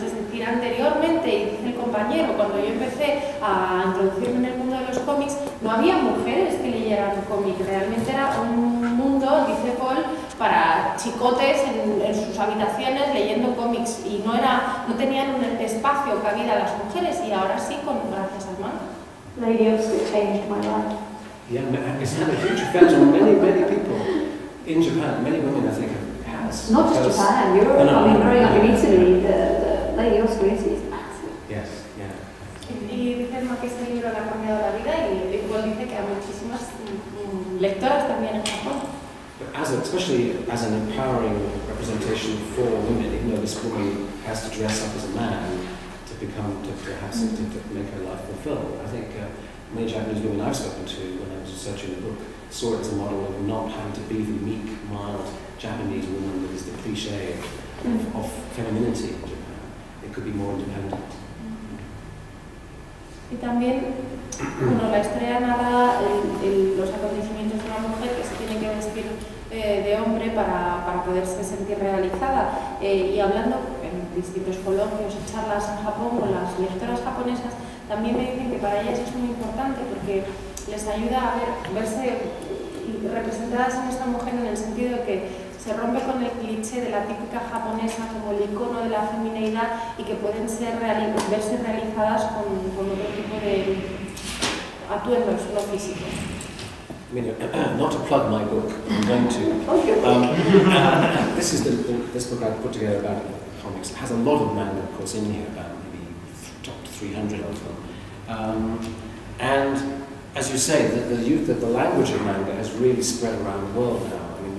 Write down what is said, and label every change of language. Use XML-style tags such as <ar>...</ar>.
<es>Es decir, anteriormente, y dice el compañero, cuando yo empecé a introducirme en el mundo de los cómics, no había mujeres que leyeran cómics. Realmente era un mundo, dice Paul, para chicotes en sus habitaciones leyendo cómics, y no tenían un espacio o cabida a las mujeres, y ahora sí, gracias al manga.</es> <en>Radio, it changed my life. Yeah, it's had a huge effect on many, many people in Japan. Many women, I think, have. Not just Japan, Europe. No, I mean, growing up in Italy, the Radio is massive. Yes, yeah.</en> <es>Y dice que este libro le ha cambiado la vida, y igual dice que a muchísimas lectoras también en Japón.</es> <en>But especially as an empowering representation for women, even though this woman has to dress up as a man, to make her life fulfilled. I think many Japanese women I've spoken to when I was researching the book saw it as a model of not having to be the meek, mild Japanese woman that is the cliche of femininity in Japan. It could be more independent.</en> <es>Y también, bueno, la historia narra los acontecimientos de una mujer que se tiene que vestir de hombre para poderse sentir realizada. Y hablando en distintos coloquios y charlas en Japón con las lectoras japonesas, también me dicen que para ellas es muy importante porque les ayuda a verse representadas en esta mujer, en el sentido de que se rompe con el cliché de la típica japonesa como el icono de la feminidad, y que pueden verse realizadas con otro tipo de atuendos, no físicos.</es> <en>I mean, not to plug my book, I'm going to. this is this book I put together about comics. It has a lot of manga, of course, in here, about maybe top 300 of them. And as you say, the language of manga has really spread around the world now.</en>